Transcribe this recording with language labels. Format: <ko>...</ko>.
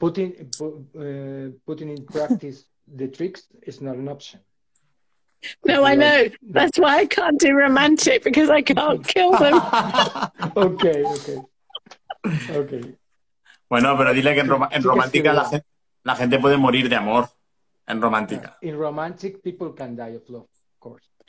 <en>Putting in practice the tricks is not an option. No, I know. That's why I can't do romantic, because I can't kill them. Okay.</en> <es>Bueno, pero dile que en romántica la gente puede morir de amor. En romántica.</es> <en>Yeah. In romantic, people can die of love, of course.</en>